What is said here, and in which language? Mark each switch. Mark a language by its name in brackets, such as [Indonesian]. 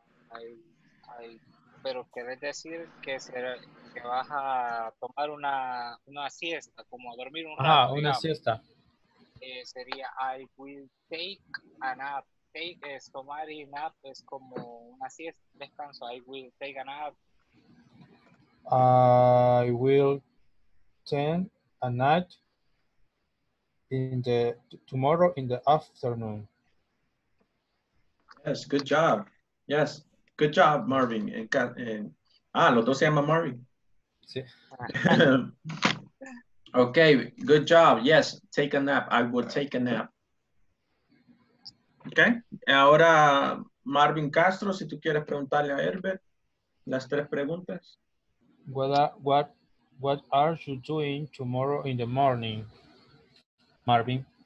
[Spanish] Ay, pero querés decir que se vas a tomar una siesta, como a dormir un rato. Ah, una digamos. Siesta. [English] Sería, I will take a nap. [Spanish] Take es tomar y nap es como una siesta, descanso. [English] I will take a nap. I will take a nap tomorrow in the afternoon. Yes, good job. Yes. Good job, Marvin. [Spanish] Los dos se llaman Marvin. Sí. [English] Okay, good job. Yes, take a nap. I will take a nap. Okay. [Spanish] Ahora, Marvin Castro, si tú quieres preguntarle a Herbert las tres preguntas. [English] What are you doing tomorrow in the morning, Marvin?